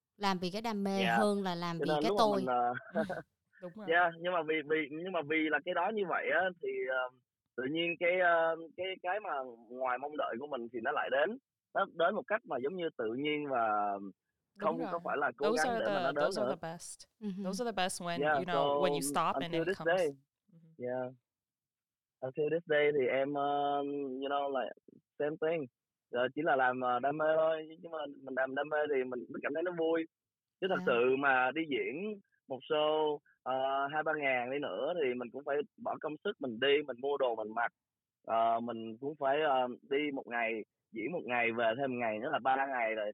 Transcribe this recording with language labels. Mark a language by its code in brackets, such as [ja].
[vi] Làm vì cái đam mê hơn là làm vì cái tôi. Đúng rồi. Nhưng mà vì là cái đó như vậy á, thì tự nhiên cái mà ngoài mong đợi của mình thì nó lại đến. Nó đến một cách mà giống như tự nhiên và không có phải là cố gắng để mà nó đến. [en] Those are the best. Those are the best when you know when you stop and it comes. Day, yeah. Until this day [vi] thì em [en] you know like same thing. [vi] Rồi chỉ là làm đam mê thôi, nhưng mà mình làm đam mê thì mình cảm thấy nó vui. Chứ thật sự mà đi diễn một show 2-3 ngàn đi nữa thì mình cũng phải bỏ công sức, mình đi, mình mua đồ, mình mặc, mình cũng phải đi một ngày, diễn một ngày, về thêm một ngày nữa là 3 ngày rồi.